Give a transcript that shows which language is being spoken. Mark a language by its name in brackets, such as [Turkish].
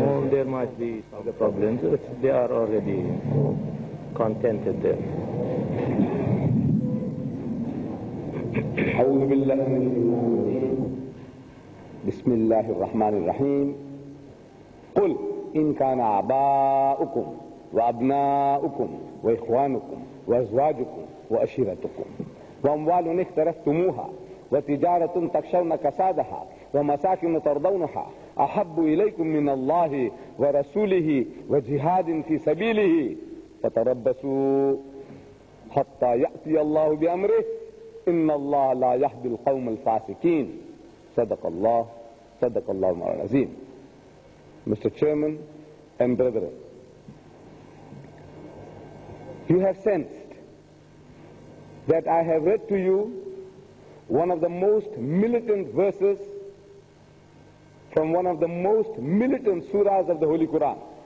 [English] There might be some problems, but they are already contented there. [Arabic] أعوذ بالله من الشيطان الرجيم. بسم الله الرحمن الرحيم قل إن كان آباؤكم وأبناؤكم وإخوانكم وأزواجكم وأشيرتكم وأموال اقترفتموها وتجارة تخشون كسادها ومساكن ترضونها أحب إليكم من الله ورسوله وجهاد في سبيله فتربصوا حتى يأتي الله بأمره إن الله لا يهدي القوم الفاسقين صدق الله صدق الله العظيم. [English] Mr. Chairman and brethren, you have sensed that I have read to you one of the most militant verses from one of the most militant surahs of the Holy Quran.